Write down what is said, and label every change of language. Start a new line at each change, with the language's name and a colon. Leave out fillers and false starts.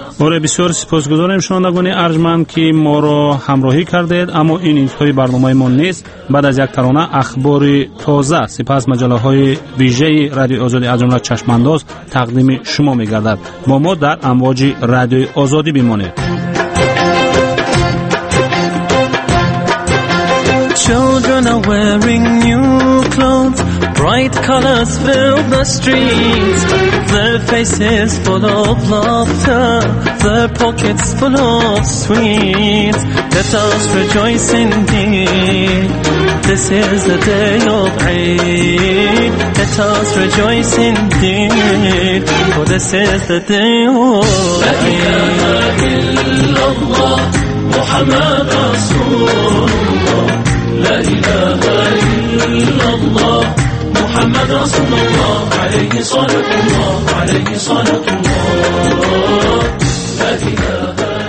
Persian: آره، بسیار سپاسگزارم شنوندگان ارجمند که ما را همراهی کردید. اما این انتهای برنامه ما نیست. بعد از یک ترانه اخبار تازه، سپس مجله های ویژه رادیو آزادی از جمله چشم انداز تقدیم شما میگردد. با ما در امواج رادیو آزادی بمانید.
English: Children are wearing new clothes, bright colors fill the streets, their faces full of laughter, their pockets full of sweets. Let us rejoice indeed, this is the day of Eid. Let us rejoice indeed, for this is the day of Eid.
Arabic: لا إله إلا الله محمد رسول الله عليه صلاة الله عليه صلاة الله لا إله